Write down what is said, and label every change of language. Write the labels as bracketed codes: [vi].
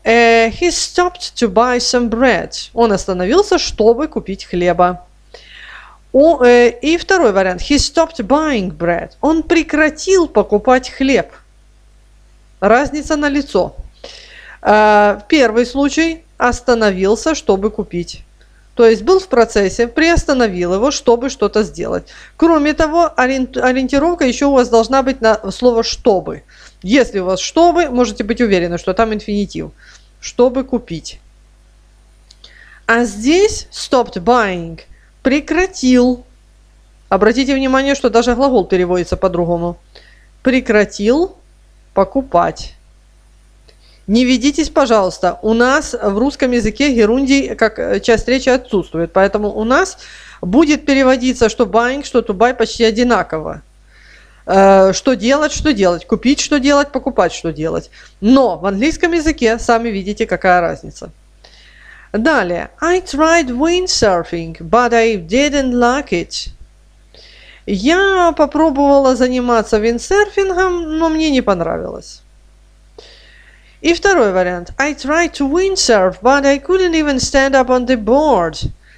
[en] He stopped to buy some bread. [ru] Он остановился, чтобы купить хлеба. И второй вариант. [en] He stopped buying bread. [ru] Он прекратил покупать хлеб. Разница налицо. Первый случай. Остановился, чтобы купить. То есть был в процессе, приостановил его, чтобы что-то сделать. Кроме того, ориентировка еще у вас должна быть на слово «чтобы». Если у вас «чтобы», можете быть уверены, что там инфинитив. «Чтобы купить». А здесь [en] «stopped buying». [ru] Прекратил. Обратите внимание, что даже глагол переводится по-другому. Прекратил покупать. Не ведитесь, пожалуйста. У нас в русском языке герундий, как часть речи, отсутствует. Поэтому у нас будет переводиться, что buying, что [en] to buy [ru] почти одинаково. Что делать, что делать. Купить, что делать, покупать, что делать. Но в английском языке, сами видите, какая разница. Далее. [en] I tried windsurfing, but I didn't like it. [ru] Я попробовала заниматься виндсерфингом, но мне не понравилось. И второй вариант. [en] I tried to windsurf, but I couldn't even stand up on the board.